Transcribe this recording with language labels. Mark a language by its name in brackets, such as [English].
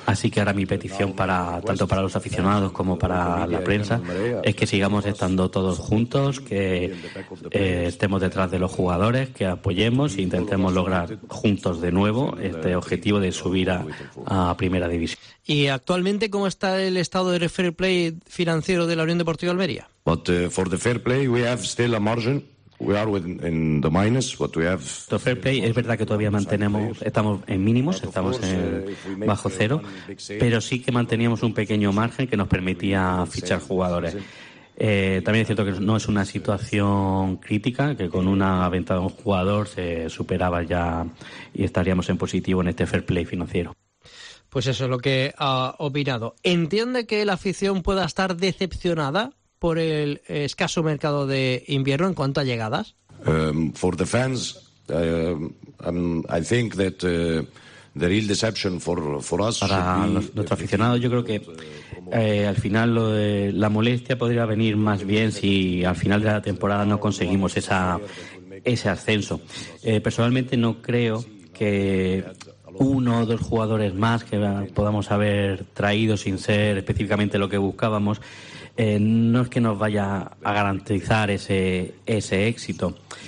[Spanish] Así que ahora mi petición, para tanto para los aficionados como para la prensa, es que sigamos estando todos juntos, que estemos detrás de los jugadores, que apoyemos e intentemos lograr juntos de nuevo este objetivo de subir a primera división. ¿Y actualmente cómo está el estado del fair play financiero de la Unión Deportiva de Almería? [English] But for the fair play we have still a margin. We are in the minus, but we have. [Spanish] The fair play, es verdad que todavía mantenemos, estamos en mínimos, estamos en bajo cero, pero sí que manteníamos un pequeño margen que nos permitía fichar jugadores. También es cierto que no es una situación crítica, que con una venta de un jugador se superaba ya y estaríamos en positivo en este fair play financiero. Pues eso es lo que ha opinado. ¿Entiende que la afición pueda estar decepcionada por el escaso mercado de invierno en cuanto a llegadas? [English] For the fans, I think that the real deception for us. [Spanish] Para nuestro aficionado, yo creo que al final lo de la molestia podría venir más bien si al final de la temporada no conseguimos ese ascenso. Personalmente no creo que uno o dos jugadores más que podamos haber traído sin ser específicamente lo que buscábamos, no es que nos vaya a garantizar ese éxito.